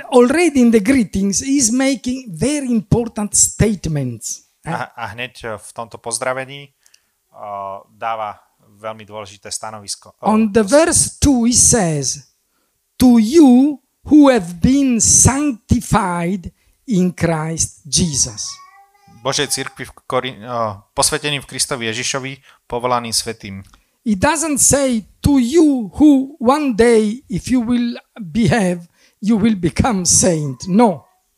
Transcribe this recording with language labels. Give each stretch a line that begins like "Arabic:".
English: And already in the greetings he is making very important statements.
Slovak: A hneď v tomto pozdravení dáva veľmi dôležité stanovisko.
English: On the verse 2 he says, to you who have been sanctified in Christ Jesus.
Slovak: Božej cirkvi posvetený v Kristovi Ježišovi, povolaný svätým.
English: He doesn't say to you who one day, if you will behave, you will become saint. No.